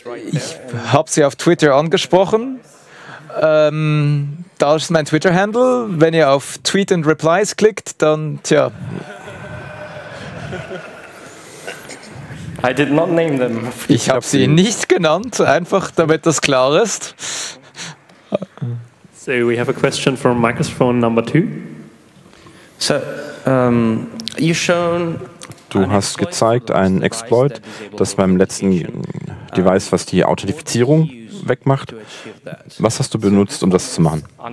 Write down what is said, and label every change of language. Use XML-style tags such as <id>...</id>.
<de>Ich habe sie auf Twitter angesprochen. Da ist mein Twitter-Handle. Wenn ihr auf Tweet and Replies klickt, dann tja.</de> <en>I did not name them.</en> <de>Ich habe sie nicht genannt, einfach damit das klar ist.</de> <en>So, we have a question from microphone number 2. So, you've shown.</en> <de>Du hast gezeigt einen Exploit, das beim letzten Device, was die Authentifizierung wegmacht. Was hast du benutzt, um das zu machen?</de>